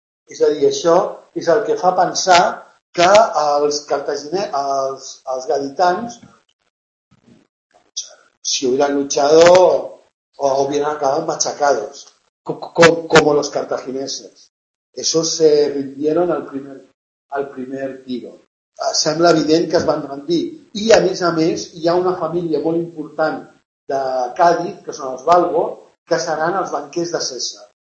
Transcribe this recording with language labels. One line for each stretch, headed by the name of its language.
Catalan: És a dir, això és el que fa pensar que els cartaginès, els gaditans,
Spanish: si hubieran luchado, hubieran acabado machacados, como los cartagineses. Esos se rindieron al primer tiro.
Catalan: Sembla evident que es van rendir. I, a més, hi ha una família molt important de Càdiz, que són els Balbo, que seran els banquers de César.